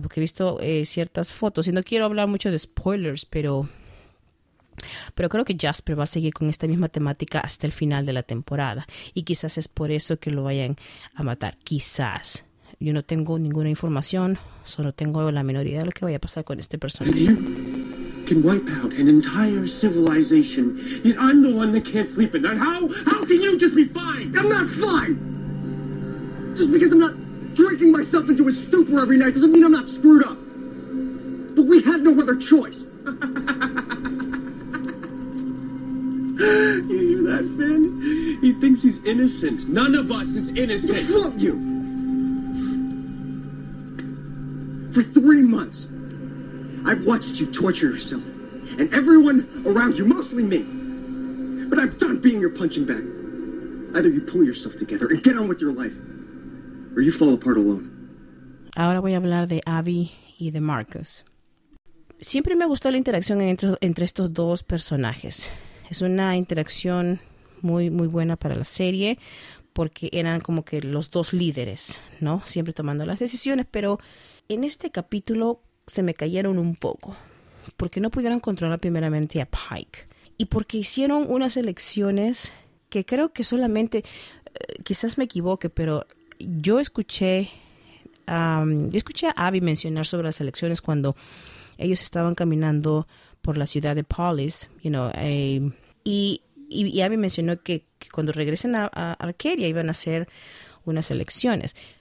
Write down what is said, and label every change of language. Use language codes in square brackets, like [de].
[es] Porque he visto ciertas fotos, y no quiero hablar mucho de spoilers, pero creo que Jasper va a seguir con esta misma temática hasta el final de la temporada. Y quizás es por eso que lo vayan a matar, quizás. Yo no tengo ninguna información, solo tengo la menor idea de lo que vaya a pasar con este personaje. [en] And you can wipe out an entire civilization, yet I'm the one that can't sleep at night. How can you just be fine? I'm not fine! Just because I'm not drinking myself into a stupor every night doesn't mean I'm not screwed up. But we had no other choice. You hear that, Finn? He thinks he's innocent. None of us is innocent. Fuck you! For 3 months, I've watched you torture yourself and everyone around you, mostly me. But I'm done being your punching bag. Either you pull yourself together and get on with your life, or you fall apart alone. [es] Ahora voy a hablar de Abby y de Marcus. Siempre me gustó la interacción entre estos dos personajes. Es una interacción muy, muy buena para la serie porque eran como que los dos líderes, ¿no? Siempre tomando las decisiones, pero en este capítulo se me cayeron un poco porque no pudieron controlar primeramente a Pike y porque hicieron unas elecciones que creo que solamente, quizás me equivoque, pero yo escuché a Abby mencionar sobre las elecciones cuando ellos estaban caminando por la ciudad de Polis, [en] you know, [es] y Abby mencionó que cuando regresen a Arcadia iban a hacer unas elecciones.